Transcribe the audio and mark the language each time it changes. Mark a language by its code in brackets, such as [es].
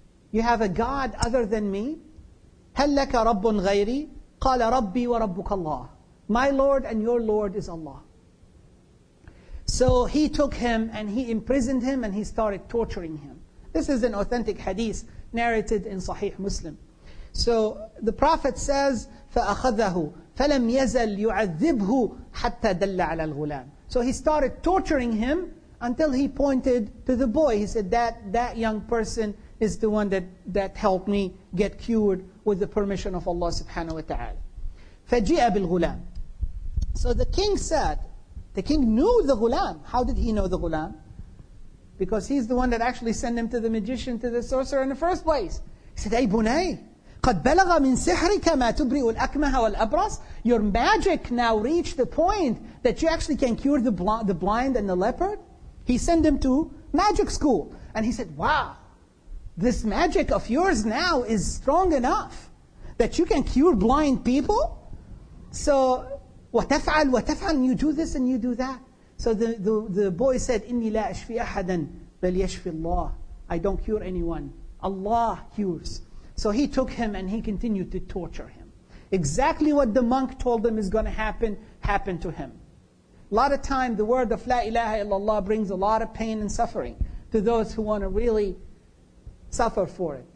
[en] You have a God other than me? [ar] هَلْ لَكَ رَبٌ غَيْرِي. قَالَ رَبِّي وَرَبُّكَ اللَّهِ. [en] My Lord and your Lord is Allah. So he took him and he imprisoned him and he started torturing him. This is an authentic hadith narrated in Sahih Muslim. So the Prophet says, [ar] فَأَخَذَهُ فَلَمْ يَزَلْ يُعَذِّبْهُ حَتَّى دَلَّ عَلَى الْغُلَامِ. [en] So he started torturing him until he pointed to the boy. He said, that young person is the one that helped me get cured with the permission of Allah subhanahu wa ta'ala. [ar] فَجِئَ بِالْغُلَامِ. [en] So the king said, the king knew the ghulam. How did he know the ghulam? Because he's the one that actually sent him to the magician, to the sorcerer in the first place. He said, [ar] "Ay bunay, قَدْ بَلَغَ مِنْ سِحْرِكَ مَا تُبْرِئُ الْأَكْمَهَ وَالْأَبْرَصِ." [en] Your magic now reached the point that you actually can cure the blind and the leopard. He sent him to magic school. And he said, "Wow, this magic of yours now is strong enough that you can cure blind people?" So, [ar] وَتَفْعَلْ وَتَفْعَلْ, [en] you do this and you do that. So the boy said, [ar] إِنِّي لَا أَشْفِي أَحَدًا بَلْ يَشْفِي اللَّهِ. [en] I don't cure anyone. Allah cures. So he took him and he continued to torture him. Exactly what the monk told him is going to happen, happened to him. A lot of time, the word of La ilaha illallah brings a lot of pain and suffering to those who want to really suffer for it.